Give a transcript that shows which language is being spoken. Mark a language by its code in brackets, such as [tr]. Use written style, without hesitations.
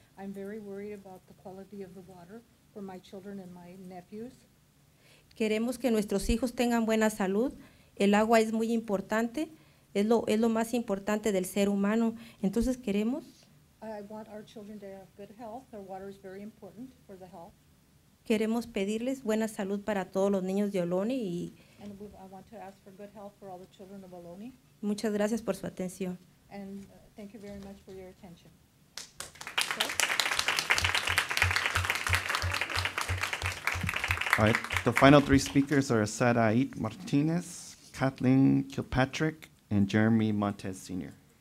[en] I'm very worried about the quality of the water for my children and my nephews. [es] Queremos que nuestros hijos tengan buena salud. El agua es muy importante. Es lo más importante del ser humano. Entonces queremos. [en] I want our children to have good health. Their water is very important for the health. [es] Queremos pedirles buena salud para todos los niños de Ohlone y. [en] And I want to ask for good health for all the children of Ohlone. [es] Muchas gracias por su atención. [en] And thank you very much for your attention. All right, the final three speakers are Asad Ait Martinez, Kathleen Kilpatrick, and Jeremy Montez Sr.